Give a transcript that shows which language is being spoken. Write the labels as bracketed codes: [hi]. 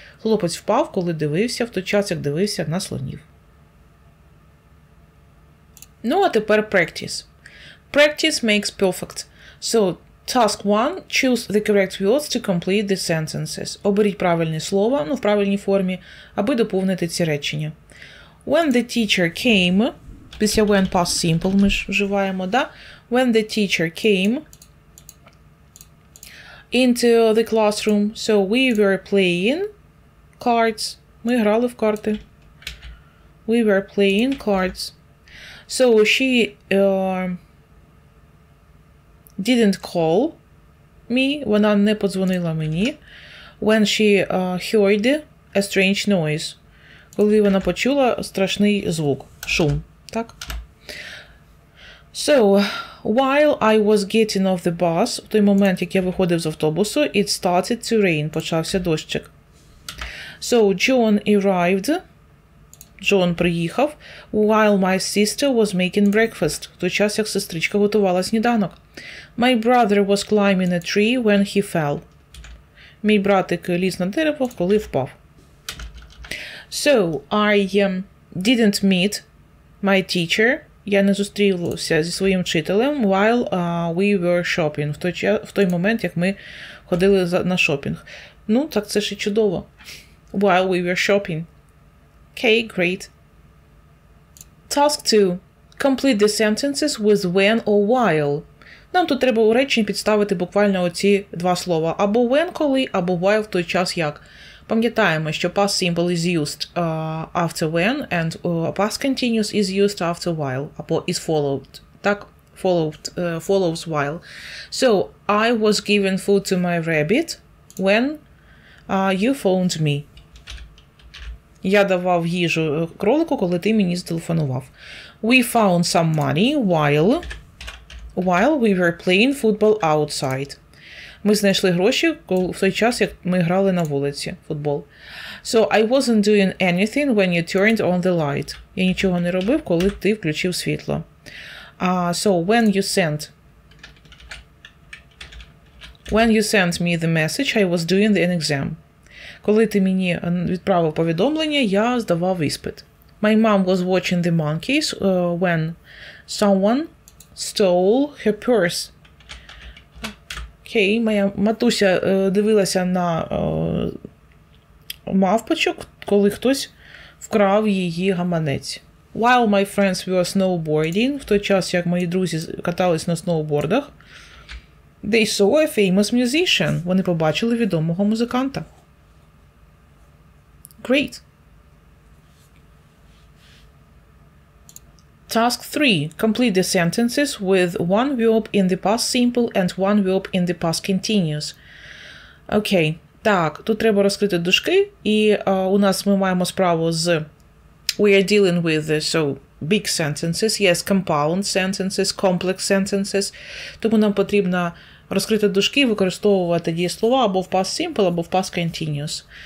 [uk] Хлопець впав, коли дивився, в той час, як дивився на слонів. [en] Ну, а тепер practice. Practice makes perfect. So, task 1. Choose the correct words to complete the sentences. [uk] Оберіть правильні слова, ну, в правильній формі, аби доповнити ці речення. When the teacher came, після when past simple ми ж вживаємо, да? [en] When the teacher came into the classroom, so we were playing cards. [uk] Ми грали в карти. We were playing cards. [en] So she didn't call me, вона не подзвонила мені, when she heard a strange noise, коли вона почула страшний звук, шум, так? So, while I was getting off the bus, в той момент, як я виходив з автобусу, it started to rain, почався дощик. So, John arrived [uk] Джон приїхав, while my sister was making breakfast, в той час, як сестричка готувала сніданок. [en] My brother was climbing a tree when he fell. [uk] Мій братик ліз на дерево, коли впав. [en] So, I didn't meet my teacher. [uk] Я не зустрівся зі своїм вчителем while we were shopping. В той момент, як ми ходили на шопінг. Ну, так це ж і чудово. [en] While we were shopping. Okay, great. Task 2. Complete the sentences with when or while. [uk] Нам тут треба у реченні підставити буквально оці два слова. Або when – коли, або while – в той час як. Пам'ятаємо, що past simple is used after when, and past continuous is used after while, або is followed. Так, follows while. [en] So, I was giving food to my rabbit when you phoned me. [uk] Я давав їжу кролику, коли ти мені зателефонував. [en] We found some money while we were playing football outside. [uk] Ми знайшли гроші в той час, як ми грали на вулиці футбол. [en] So I wasn't doing anything when you turned on the light. [uk] Я нічого не робив, коли ти включив світло. [en] So when you sent. When you sent me the message, I was doing an exam. [uk] Коли ти мені відправив повідомлення, я здавав іспит. [en] My mom was watching the monkeys when someone stole her purse. [uk] Окей, моя матуся дивилася на мавпочок, коли хтось вкрав її гаманець. [en] While my friends were snowboarding, в той час, як мої друзі катались на сноубордах, they saw a famous musician. [uk] Вони побачили відомого музиканта. [en] Great. Task 3. Complete the sentences with one verb in the past simple and one verb in the past continuous. [uk] Окей. Так, тут треба розкрити дужки, і у нас ми маємо справу з... [en] We are dealing with so big sentences. Yes, compound sentences, complex sentences. [uk] Тому нам потрібно розкрити дужки, використовувати дієслова або в past simple, або в past continuous.